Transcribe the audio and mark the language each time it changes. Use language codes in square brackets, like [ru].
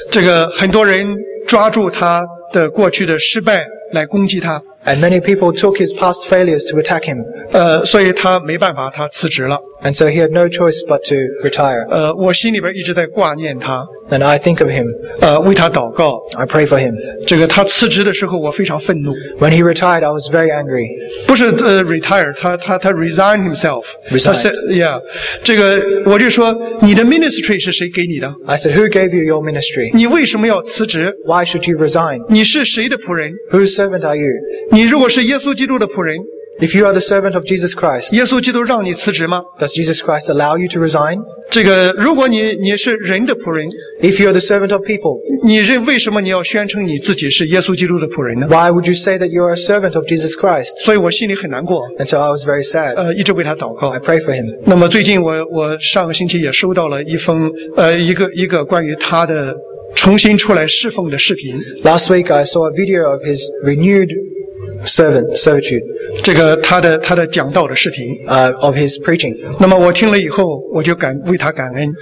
[zh] 这个很多人抓住他的过去的失败来攻击他。 [en] And many people took his past failures to attack him. [zh] 所以他没办法，他辞职了。 [en] And so he had no choice but to retire. [zh] 我心里边一直在挂念他。 [en] And I think of him. [zh] 为他祷告。 [en] I pray for him. [zh] 这个他辞职的时候，我非常愤怒。 [en] When he retired, I was very angry. [zh] 不是retire, 他 [en] resign himself. Resign. Yeah. [zh] 这个我就说，你的 ministry 是谁给你的 [en] ？I said, who gave you your ministry? [zh] 你为什么要辞职 [en] ？Why should you resign? [zh] 你是谁的仆人 [en] ？Whose servant are you? [zh] 你如果是耶稣基督的仆人 [en] If you are the servant of Jesus Christ, [zh] 耶稣基督让你辞职吗 [en] Does Jesus Christ allow you to resign? [zh] 这个如果你是人的仆人 [en] If you are the servant of people, [zh] 你认为什么你要宣称你自己是耶稣基督的仆人呢 [en] Why would you say that you are a servant of Jesus Christ? [zh] 所以我心里很难过 [en] And so I was very sad. [zh] 一直为他祷告 [en] I pray for him. [zh] 那么最近我上个星期也收到了一封一个关于他的重新出来侍奉的视频 [en] Last week I saw a video of his renewedservitude [zh] 这个他的讲道的视频 [en] of his preaching [zh] 那么我听了以后我就感为他感恩